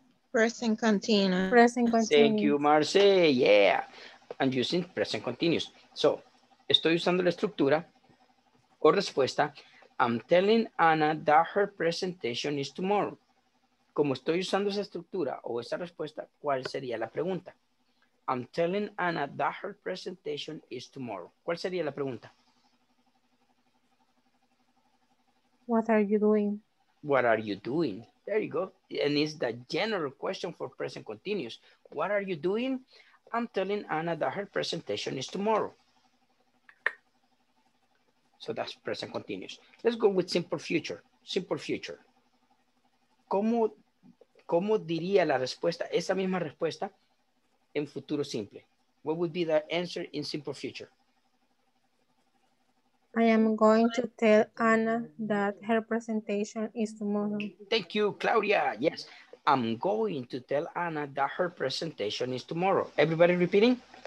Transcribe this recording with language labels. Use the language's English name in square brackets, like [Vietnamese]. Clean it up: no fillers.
[English] Present continuous. Present continuous. Thank you, Marce. Yeah. I'm using present continuous. [Spanish] So, estoy usando la estructura o respuesta. [English] I'm telling Anna that her presentation is tomorrow. [Spanish] Como estoy usando esa estructura o esa respuesta, ¿cuál sería la pregunta? [English] I'm telling Anna that her presentation is tomorrow. [Spanish] ¿Cuál sería la pregunta? [English] What are you doing? What are you doing? There you go. And it's the general question for present continuous. What are you doing? I'm telling Anna that her presentation is tomorrow. So that's present continuous. Let's go with simple future. Simple future. [Spanish] ¿Cómo diría la respuesta, esa misma respuesta, en futuro simple? [English] What would be the answer in simple future? I am going to tell Anna that her presentation is tomorrow. Thank you, Claudia. Yes, I'm going to tell Anna that her presentation is tomorrow. Everybody repeating?